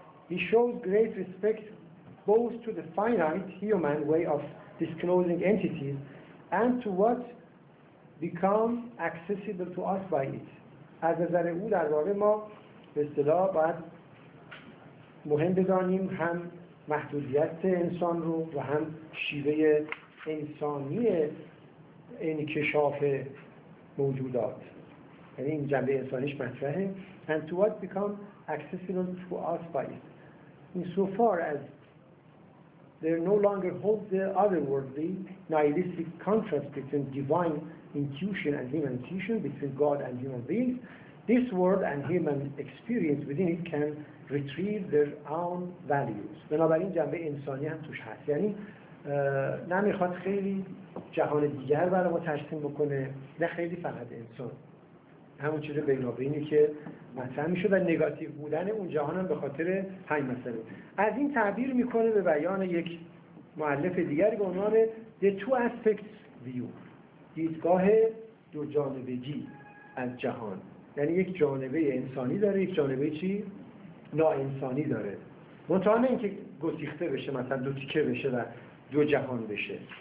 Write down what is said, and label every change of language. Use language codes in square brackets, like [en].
[en] He shows great respect both to the finite human way of disclosing entities and to what becomes accessible to us by it. [fa] از نظر او در واقع ما به اصطلاح باید مهم بدانیم هم محدودیت انسان رو و هم شیوه انسانی انکشاف موجودات، یعنی این جنبه انسانیش مطرحه. [en] And to what become accessible to us by it. In so far as they no longer hold the otherworldly nihilistic contrast between divine intuition and human intuition, between God and human beings, this world and human experience within it can retrieve their own values. [fa] بنابراین جنبه انسانی هم توش هست، یعنی نمیخواد خیلی جهان دیگر برای ما ترسیم بکنه، نه خیلی فقط انسان، همون چیز بینابینی که مطرح میشه و نگاتیو بودن اون جهان هم به خاطر همین مسئله. از این تعبیر میکنه به بیان یک مؤلف دیگر به عنوان The Two Aspects View، دیدگاه دو جانبگی از جهان، یعنی یک جانبه انسانی داره، یک جانبه چی؟ ناانسانی داره، متأنه اینکه گسیخته بشه، مثلا دو تیکه بشه و دو جهان بشه.